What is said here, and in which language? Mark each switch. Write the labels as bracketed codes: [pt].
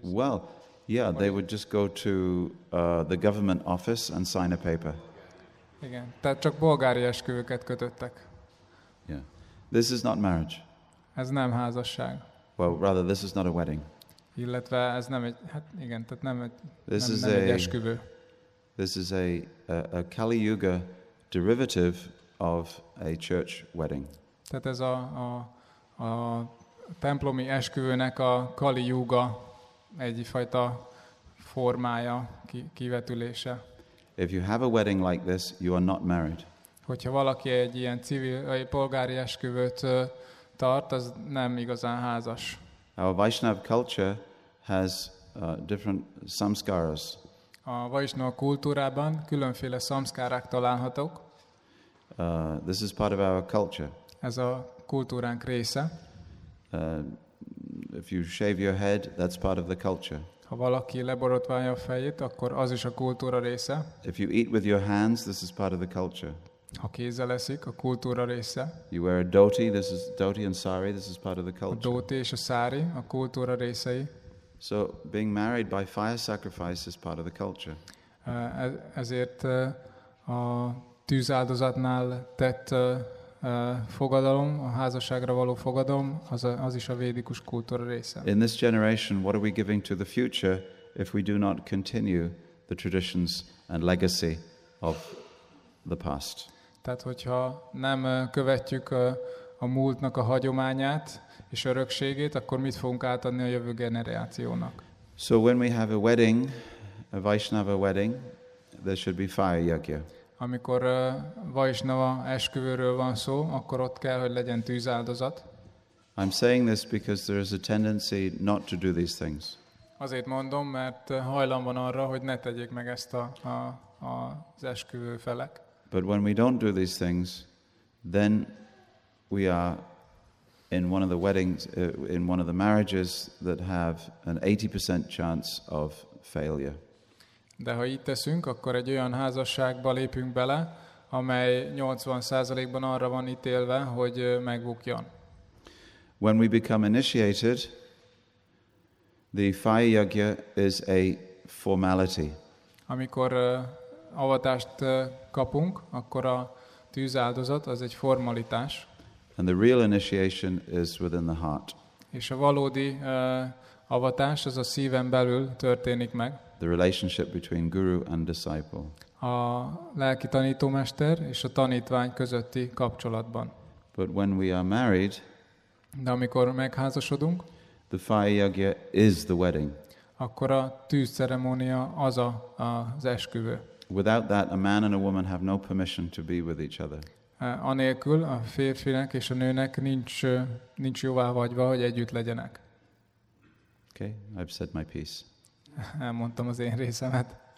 [en] Well, yeah, they would just go to the government office and sign a paper. [hu] Igen, tehát csak bolgári esküvőket kötöttek. [en] Yeah. This is not marriage. [hu] Ez nem házasság. [en] Well, rather, this is not a wedding. [hu] Illetve ez nem egy, hát igen, tehát nem egy, this nem, is nem a, egy esküvő. [en] This is a Kali Yuga derivative of a church wedding. [hu] Tehát ez a templomi esküvőnek a Kali Yuga egyfajta formája, kivetülése. [en] If you have a wedding like this, you are not married. [hu] Hogyha valaki egy ilyen civil, egy polgári esküvőt tart, az nem igazán házas. [en] Our Vaishnav culture has different samskaras. [hu] A Vaishnava kultúrában különféle samskárák találhatók. [en] This is part of our culture. [hu] Ez a kultúránk része. [en] If you shave your head, that's part of the culture. [hu] Ha valaki leborotválja a fejét, akkor az is a kultúra része. [en] If you eat with your hands, this is part of the culture. [hu] Ha kézzel eszik, a kultúra része. [en] You wear a dhoti, this is dhoti and sari, this is part of the culture. [hu] A dhoti és a sari, a kultúra részei. [en] So being married by fire sacrifice is part of the culture. [hu] Ezért a tűzáldozatnál tett fogadalom, a házasságra való fogadalom, az is a védikus kultúra része. [en] In this generation, what are we giving to the future if we do not continue the traditions and legacy of the past? [hu] Tehát, hogyha nem követjük a múltnak a hagyományát és örökségét, akkor mit fogunk átadni a jövő generációnak? [en] So when we have a wedding, a Vaishnava wedding, there should be fire yagya. [hu] Amikor Vaishnava esküvőről van szó, akkor ott kell, hogy legyen tűzáldozat. [en] I'm saying this because there is a tendency not to do these things. [hu] Azért mondom, mert hajlam van arra, hogy ne tegyék meg ezt az esküvő felek. [en] But when we don't do these things, then we are in one of the weddings, in one of the marriages that have an 80% chance of failure. [hu] De ha így teszünk, akkor egy olyan házasságba lépünk bele, amely 80%-ban arra van ítélve, hogy megbukjon. [en] When we become initiated, the fire yagya is a formality. [hu] Amikor avatást kapunk, akkor a tűzáldozat az egy formalitás. [en] And the real initiation is within the heart. [hu] És a valódi avatás az a szíven belül történik meg. [en] The relationship between guru and disciple. [hu] A lelki tanítómester és a tanítvány közötti kapcsolatban. [en] But when we are married, [hu] de amikor megházasodunk, [en] the fire yagya is the wedding. [hu] Akkor a tűzceremónia az az esküvő. [en] Without that, a man and a woman have no permission to be with each other. [hu] Anélkül a férfinek és a nőnek nincs jóváhagyva, hogy együtt legyenek. [en] Okay, I've said my piece. [hu] Elmondtam az én részemet.